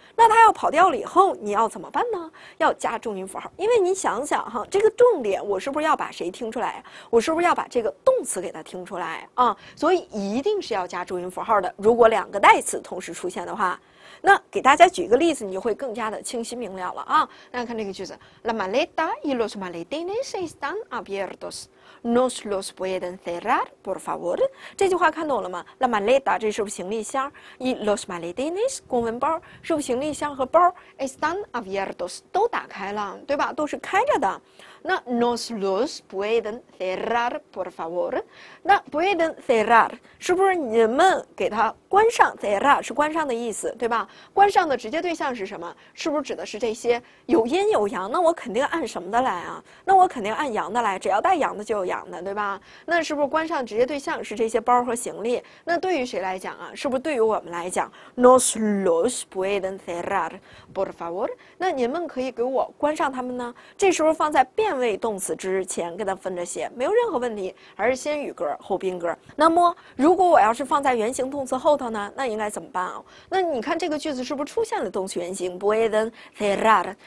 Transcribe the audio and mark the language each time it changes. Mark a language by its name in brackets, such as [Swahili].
[Chinese] 那它要跑掉了以后，你要怎么办呢？要加重音符号，因为你想想哈，这个重点我是不是要把谁听出来？我是不是要把这个动词给它听出来啊？所以一定是要加重音符号的。如果两个代词同时出现的话，那给大家举一个例子，你就会更加的清晰明了了啊。大家看这个句子 ： [Spanish] La maleta y los maletines están abiertos。 Nos los pueden cerrar, por favor. [Chinese] 这句话看懂了吗 ？La maleta 这是不是行李箱 ？Y los maletines 公文包是不是行李箱和包 ？Están abiertos 都打开了，对吧？都是开着的。 [Spanish] 那 Nos los pueden cerrar, por favor. [Chinese] 那 pueden cerrar 是不是你们给它关上 ？Cerrar 是关上的意思，对吧？关上的直接对象是什么？是不是指的是这些有阴有阳？那我肯定按什么的来啊？那我肯定按阳的来，只要带阳的就。有养的，对吧？那是不是关上直接对象是这些包和行李？那对于谁来讲啊？是不是对于我们来讲 ？ [Spanish] Nos los pueden cerrar, por favor。 [Chinese] 那你们可以给我关上他们呢？这时候放在变位动词之前，跟它分着写，没有任何问题。还是先语格后宾格。那么，如果我要是放在原形动词后头呢？那应该怎么办啊？那你看这个句子是不是出现了动词原形 pueden cerrar？